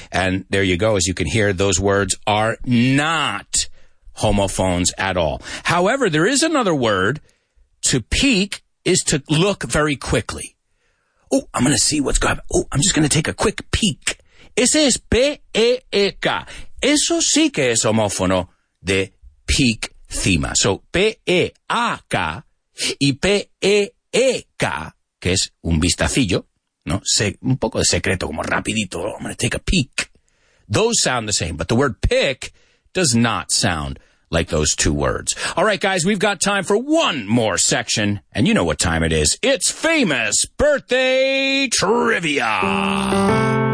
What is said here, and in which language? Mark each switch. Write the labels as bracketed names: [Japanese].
[English] And there you go, as you can hear, those words are not homophones at all. However, there is another word. To peek is to look very quickly. Oh, I'm going to see what's going on. Oh, I'm just going to take a quick peek. [Spanish] Ese es P-E-E-K. Eso sí que es homófono de peek cima. So, P-E-A-K y P-E-E-K, que es un vistacillo, ¿no? Un poco de secreto, como rapidito. [English] Oh, I'm going to take a peek. Those sound the same, but the word pick does not sound like those two words. All right, guys, we've got time for one more section, and you know what time it is. It's famous birthday trivia.